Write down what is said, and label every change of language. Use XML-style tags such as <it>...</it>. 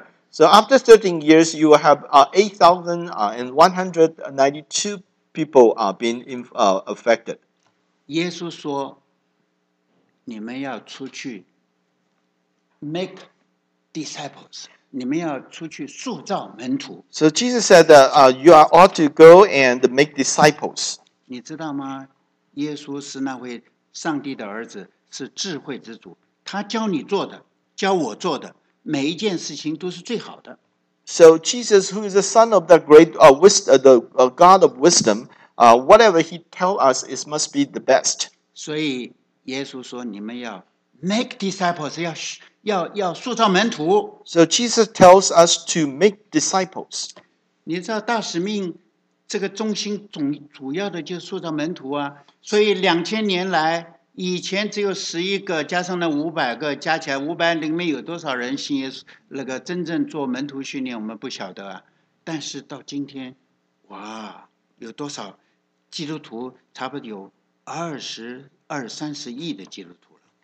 <en>So after 13 years, you will have 8,192 people being affected.</en> <zh>耶稣说，你们要出去 make. Disciples, 你们要出去塑造门徒。</zh> <en>So Jesus said that you are all to go and make disciples.</en> <zh>你知道吗？耶稣是那位上帝的儿子，是智慧之主。他教你做的，教我做的，每一件事情都是最好的。</zh> <en>So Jesus, who is the Son of the Great Wisdom, the God of Wisdom, whatever He tell us, it must be the best.</en> <zh>所以耶稣说，你们要</zh> <en>make disciples,</en> <zh>要塑造门徒。</zh> <en>So Jesus tells us to make disciples.</en> <zh>你知道大使命这个中心主要的就是塑造门徒啊。所以两千年来以前只有11个，加上那500个，加起来500里面有多少人信耶稣，那个真正做门徒训练我们不晓得啊。但是到今天，哇，有多少基督徒，差不多有二十二三十亿的基督徒了。</zh>